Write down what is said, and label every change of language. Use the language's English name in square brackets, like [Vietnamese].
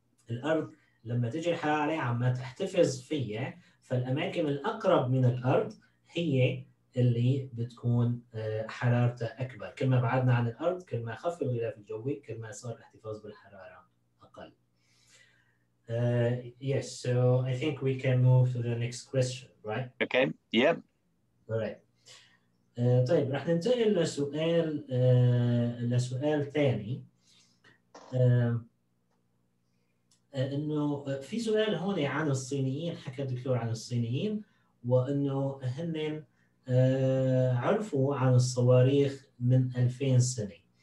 [Arabic] الأرض لما تجي الحرارة عليها عم تحتفظ فيها، فالأماكن الأقرب من الأرض هي اللي بتكون حرارتها أكبر. كل ما بعدنا عن الأرض كل ما خف الغلاف الجوي، كل ما صار الاحتفاظ بالحرارة أقل. [English] Yes, so I think we can move to the next question, right? Okay, yep. Alright. [Arabic] طيب رح ننتقل لسؤال لسؤال ثاني. إنه في سؤال هون عن الصينيين، حكى الدكتور عن الصينيين وإنه هن عرفوا عن الصواريخ من 2000 سنة.